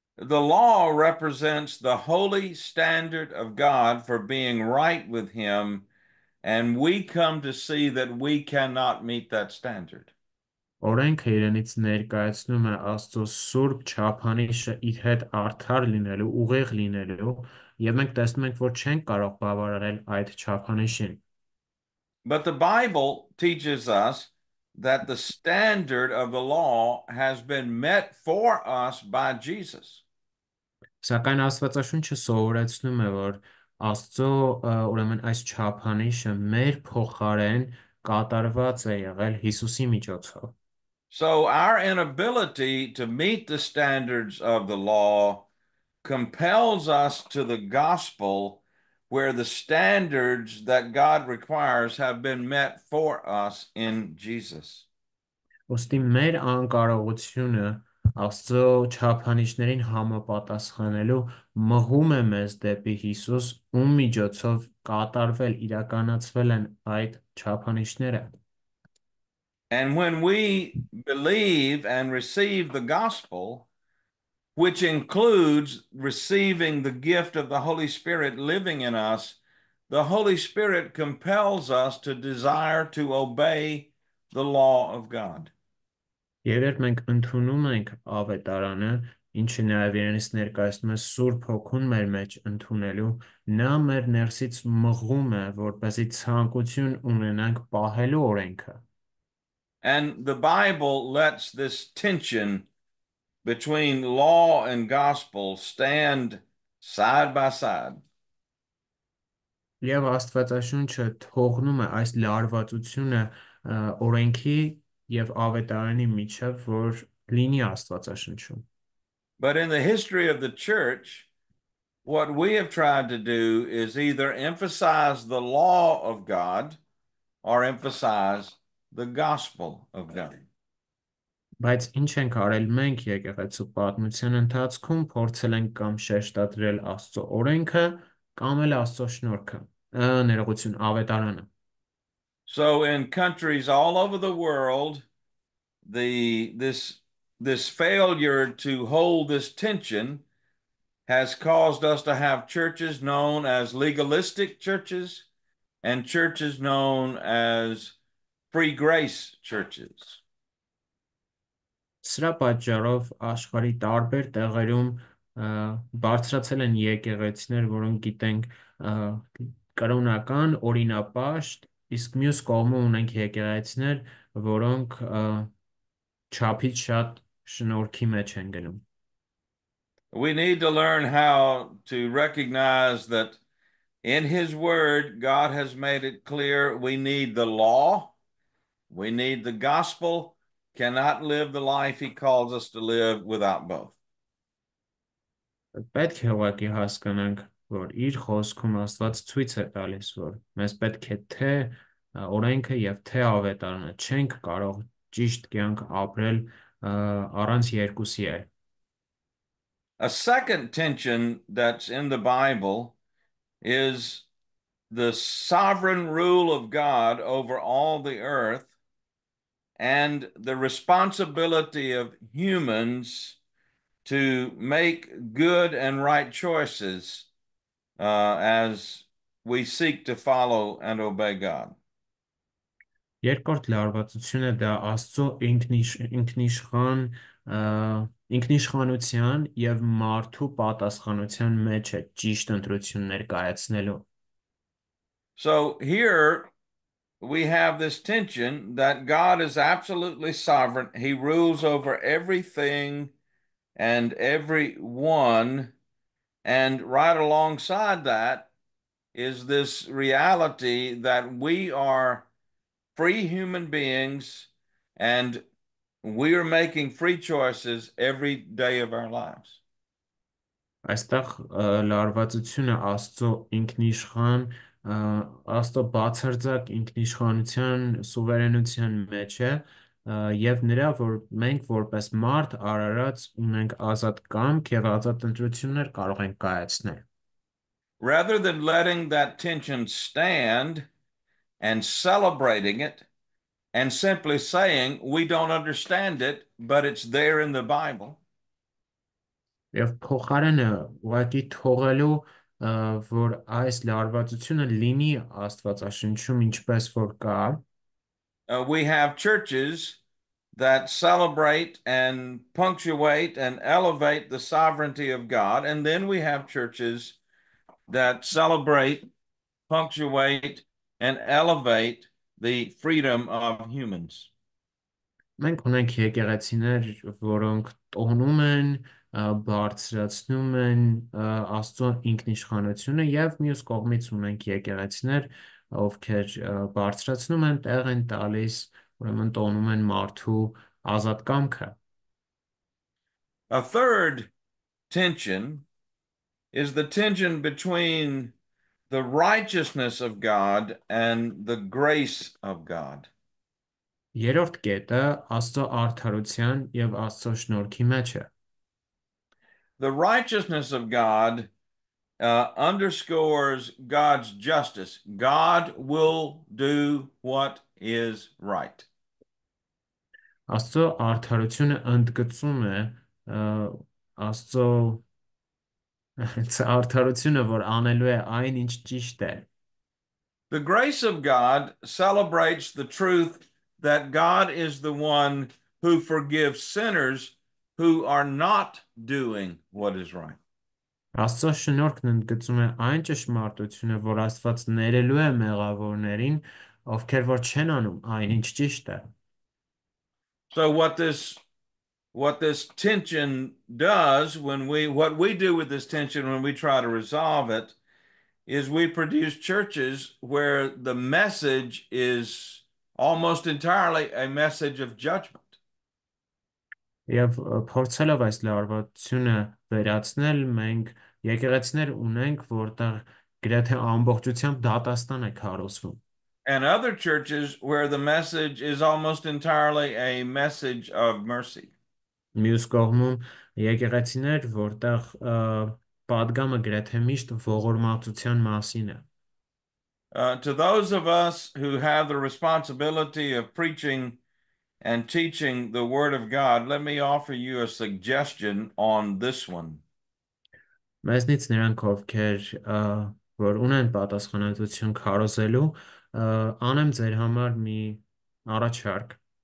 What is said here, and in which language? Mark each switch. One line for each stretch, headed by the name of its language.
English: The law represents the holy standard of God for being right with him, and we come to see that we cannot meet that standard.
Armenian: Օրենքը իրենից ներկայացնում է Աստծո սուրբ չափանիշը իր հետ արդար լինելու, ուղեղ լինելու, եւ մենք տեսնում ենք, որ չենք կարող բավարարել այդ չափանիշին։
English: But the Bible teaches us that the standard of the law has been met for us by Jesus.
Armenian: Սակայն Աստվածաշունչը սովորեցնում է, որ Աստծո, ուրեմն այս չափանիշը մեր փոխարեն կատարված է եղել Հիսուսի միջոցով։
English: So our inability to meet the standards of the law compels us to the gospel, where the standards that God requires have been met for us in Jesus.
Armenian: Ոստի մեր անկարողությունը Աստծո չափանիշներին համապատասխանելու մղում է մեզ դեպի Հիսուս, ում միջոցով կատարվել իրականացվել են այդ չափանիշները։
English: And when we believe and receive the gospel, which includes receiving the gift of the Holy Spirit living in us, the Holy Spirit compels us to desire to obey the law of God.
Armenian: Երբ մենք ընդունում ենք ավետարանը, ինչը նաև իրենից ներկայացնում է Սուրբ Հոգուն մեր մեջ ընդունելու, նա մեր ներսից մղում է, որպեսզի ցանկություն ունենանք պահելու օրենքը։
English: And the Bible lets this tension between law and gospel stand side by side.
Armenian: Եվ Աստվածաշունչը թողնում է այս լարվածությունը օրենքի եւ ավետարանի միջև, որ լինի Աստվածաշնչում։
English: But in the history of the church, what we have tried to do is either emphasize the law of God or emphasize the gospel of God.
Armenian: Բայց ինչ ենք արել մենք եկեղեցու պատմության ընթացքում, փորձել ենք կամ շեշտադրել Աստծո օրենքը, կամ էլ Աստծո շնորհքը, ներողություն, ավետարանը։
English: So in countries all over the world, this failure to hold this tension has caused us to have churches known as legalistic churches and churches known as free grace churches.
Armenian: Սրա պատճառով աշխարհի տարբեր տեղերում բարձրացել են եկեղեցիներ, որոնք գիտենք կրոնական, օրինապաշտ, իսկ մյուս կողմում ունենք եկեղեցիներ, որոնք չափից շատ շնորհքի մեջ են գնում։
English: We need to learn how to recognize that in His Word, God has made it clear we need the law, we need the gospel, cannot live the life He calls us to live without both.
Armenian: Պետք է ուղղակի հասկանանք, որ իր խոսքում Աստված ցույց է տալիս, որ մեզ պետք է թե օրենքը եւ թե ավետարանը, չենք կարող ճիշտ կյանք ապրել առանց երկուսի էլ։
English: A second tension that's in the Bible is the sovereign rule of God over all the earth and the responsibility of humans to make good and right choices as we seek to follow and obey God.
Armenian: Երկրորդ լարվածությունը դա Աստծո ինքնիշխան ինքնիշխանության եւ մարդու պատասխանության մեջ է ճիշտ ընտրություն ներկայացնելու։
English: So here we have this tension that God is absolutely sovereign. He rules over everything and everyone, and right alongside that is this reality that we are free human beings, and we are making free choices every day of our lives.
Armenian: Այստեղ լարվածությունը Աստծո ինքնիշխան, Աստծո բացարձակ ինքնիշխանության, սուվերենության մեջ է, եւ նրա, որ մենք որպես մարդ արարած ունենք ազատ կամք եւ ազատ ընտրություններ կարող ենք կայացնել։
English: Rather than letting that tension stand and celebrating it and simply saying we don't understand it but it's there in the Bible.
Armenian: Եվ փոխարենը ուղղակի թողելու, որ այս լարվածությունը լինի Աստվածաշնչում ինչպես որ կա,
English: we have churches that celebrate and punctuate and elevate the sovereignty of God, and then we have churches that celebrate, punctuate and elevate the freedom of humans.
Armenian: Մենք ունենք եկեղեցիներ, որոնք տոնում են, բարձրացնում են Աստծո ինքնիշխանությունը, եւ մյուս կողմից ունենք եկեղեցիներ, ովքեր բարձրացնում են, տեղ են տալիս, ուրեմն տոնում են մարդու ազատ կամքը։
English: A third tension is the tension between the righteousness of God and the grace of God.
Armenian: Երրորդ կետը Աստծո արդարության եւ Աստծո շնորհքի մեջ է։
English: The righteousness of God underscores God's justice. God will do what is right.
Armenian: Աստծո արդարությունը ընդգծում է Աստծո արդարությունը, որ անելու է այն, ինչ ճիշտ է։
English: The grace of God celebrates the truth that God is the one who forgives sinners who are not doing what is right.
Armenian: Աստծո շնորհքն ընդգծում է այն ճշմարտությունը, որ Աստված ներելու է մեղավորներին, ովքեր որ չեն անում այն, ինչ ճիշտ է։
English: So what this tension does when we what we do with this tension when we try to resolve it is we produce churches where the message is almost entirely a message of judgment.
Armenian: Եվ փորձելով այս լարվածությունը վերացնել, մենք եկեղեցիներ ունենք, որտեղ գրեթե ամբողջությամբ դատաստան է քարոզվում։
English: And other churches where the message is almost entirely a message of mercy.
Armenian: Մյուս կողմում եկեղեցիներ, որտեղ պատգամը գրեթե միշտ ողորմածության մասին է։
English: To those of us who have the responsibility of preaching and teaching the Word of God, let me offer you a suggestion on this one.
Armenian: Մեզնից նրանք, ովքեր որ ունեն պատասխանատվություն քարոզելու, անեմ ձեր համար մի առաջարկ։